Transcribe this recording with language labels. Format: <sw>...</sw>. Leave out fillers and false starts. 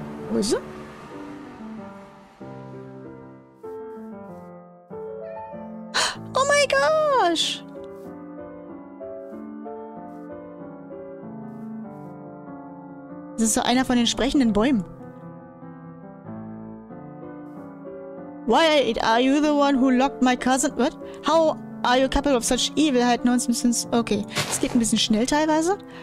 <de>Wo ist sie? Oh mein Gott! Das ist so einer von den sprechenden Bäumen.</de> <en>Wait, are you the one who locked my cousin? What? How are you capable of such evil hat nonsense?</en> <de>Okay, es geht ein bisschen schnell teilweise.</de>